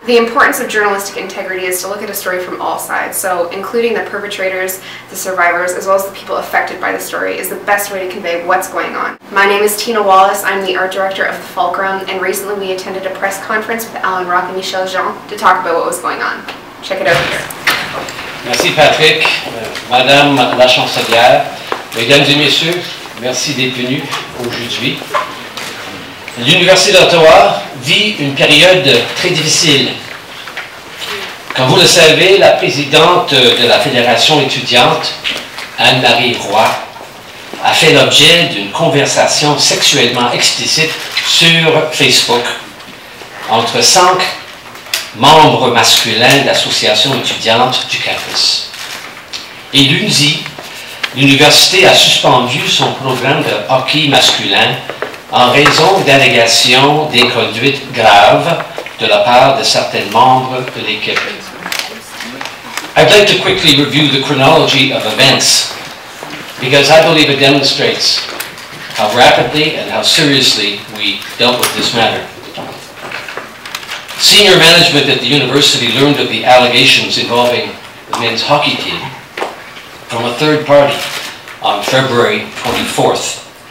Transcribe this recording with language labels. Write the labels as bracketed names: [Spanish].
[English] The importance of journalistic integrity is to look at a story from all sides, so including the perpetrators, the survivors, as well as the people affected by the story is the best way to convey what's going on. My name is Tina Wallace, I'm the art director of the Fulcrum, and recently we attended a press conference with Allan Rock and Michaelle Jean to talk about what was going on. Check it over here. [French] Merci Patrick, Madame la Chancelière, Mesdames et Messieurs, merci d'être venus aujourd'hui. L'Université d'Ottawa vit une période très difficile. Comme vous le savez, la présidente de la Fédération étudiante, Anne-Marie Roy, a fait l'objet d'une conversation sexuellement explicite sur Facebook entre 5 membres masculins de l'association étudiante du campus. Et lundi, l'université a suspendu son programme de hockey masculin en raison d'allégations d'inconduite grave de la part de certains membres de l'équipe. [English] I'd like to quickly review the chronology of events because I believe it demonstrates how rapidly and how seriously we dealt with this matter. Senior management at the university learned of the allegations involving the men's hockey team from a third party on February 24th.